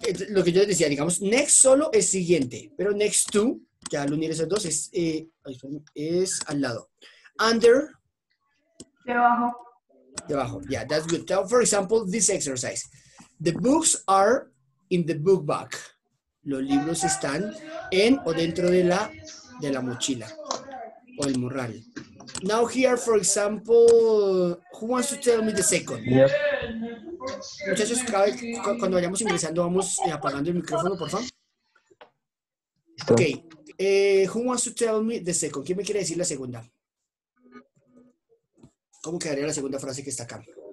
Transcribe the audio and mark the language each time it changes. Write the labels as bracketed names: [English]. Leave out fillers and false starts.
[Spanish] Lo que yo les decía, digamos, next solo es siguiente. Pero next to, que al unir esos dos, es al lado. [English] Under. [Spanish] Debajo. [English] Debajo. Yeah, that's good. Now, for example, this exercise. The books are in the book bag. [Spanish] Los libros están en o dentro de la mochila o el morral. [English] Now here, for example, who wants to tell me the second? Yep. [Spanish] Muchachos, cuando vayamos ingresando, vamos apagando el micrófono, por favor. Ok. [English] Who wants to tell me the second? [Spanish] ¿Quién me quiere decir la segunda? ¿Cómo quedaría la segunda frase que está acá?